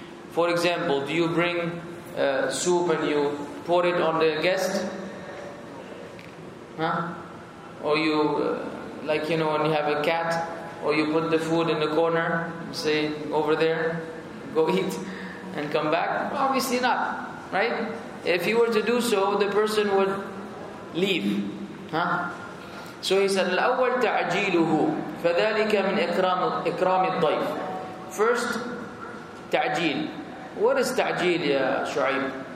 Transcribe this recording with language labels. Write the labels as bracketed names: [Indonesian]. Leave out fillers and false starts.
[English] For example, do you bring soup and you pour it on the guest? Huh? Or you, like, you know, when you have a cat, or you put the food in the corner, say, over there, go eat, and come back? Obviously not, right? If you were to do so, the person would leave. Huh? So he said, [Arabic] الأول تعجيله فذلك من إكرام الضيف. [English] First, تعجيل. What is تعجيل, يا شعيب?